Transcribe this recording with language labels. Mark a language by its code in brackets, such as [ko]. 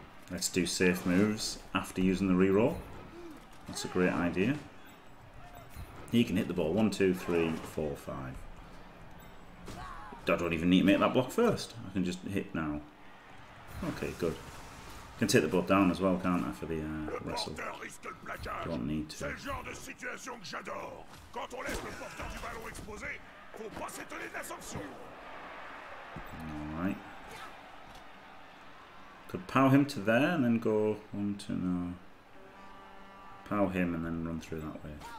[en] Let's do safe moves after using the reroll. That's a great idea. He can hit the ball. 1, 2, 3, 4, 5. I don't even need to make that block first. I can just hit now. Okay, good. I can take the ball down as well, can't I, for the wrestle. Don't need to. [fr] C'est le genre de situation que j'adore. Quand on laisse le porteur du ballon exposé, faut pas s'étonner de la sanction. [en] Alright. Could pow him to there and then go on to now. Pow him and then run through that way.